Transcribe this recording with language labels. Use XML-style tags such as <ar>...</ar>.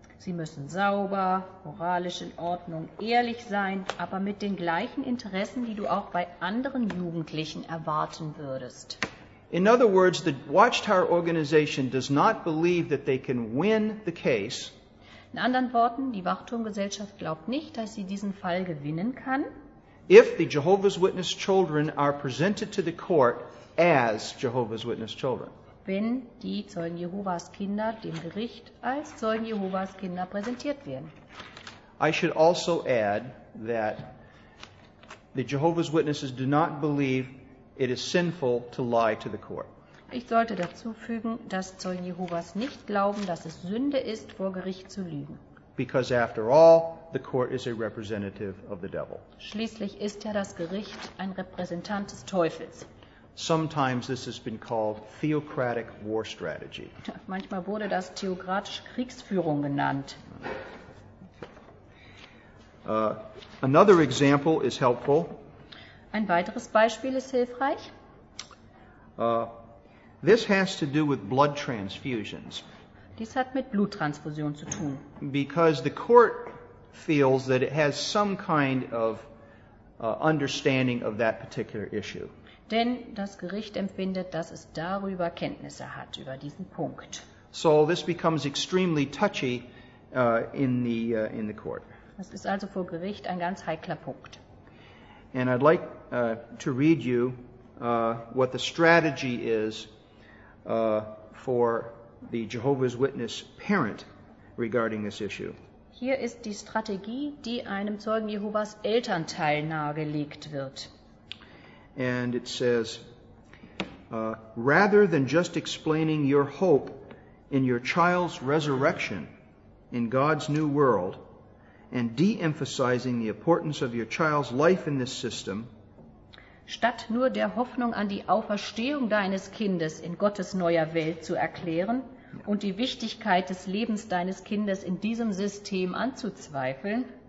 <de>Sie müssen sauber, moralisch in Ordnung, ehrlich sein, aber mit den gleichen Interessen, die du auch bei anderen Jugendlichen erwarten würdest.</de> <en>In other words, the Watchtower organization does not believe that they can win the case.</en> <de>In anderen Worten, die Wachturmgesellschaft glaubt nicht, dass sie diesen Fall gewinnen kann.</de> <en>If the Jehovah's Witness children are presented to the court as Jehovah's Witness children.</en> <de>Wenn die Zeugen Jehovas Kinder dem Gericht als Zeugen Jehovas Kinder präsentiert werden.</de> <en>I should also add that the Jehovah's Witnesses do not believe it is sinful to lie to the court.</en> <de>Ich sollte dazu fügen, dass Zeugen Jehovas nicht glauben, dass es Sünde ist, vor Gericht zu lügen.</de> <en>Because after all, the court is a representative of the devil.</en> <de>Schließlich ist ja das Gericht ein Repräsentant des Teufels.</de> <en>Sometimes this has been called theocratic war strategy.</en> <de>Manchmal wurde das theokratische Kriegsführung genannt.</de> <en>Another example is helpful.</en> <de>Ein weiteres Beispiel ist hilfreich.</de> <en>This has to do with blood transfusions.</en> <de>Dies hat mit Bluttransfusion zu tun.</de> <en>Because the court feels that it has some kind of understanding of that particular issue.</en> <de>Denn das Gericht empfindet, dass es darüber Kenntnisse hat, über diesen Punkt.</de> <en>So this becomes extremely touchy in the court.</en> <de>Das ist also vor Gericht ein ganz heikler Punkt.</de> <en>And I'd like to read you what the strategy is for the Jehovah's Witness parent regarding this issue.</en> <de>Hier ist die Strategie, die einem Zeugen Jehovas Elternteil nahegelegt wird.</de> <en>And it says, rather than just explaining your hope in your child's resurrection in God's new world and de-emphasizing the importance of your child's life in this system,</en> <de>statt nur der Hoffnung an die Auferstehung deines Kindes in Gottes neuer Welt zu erklären und die Wichtigkeit des Lebens deines Kindes in diesem System anzuzweifeln,</de>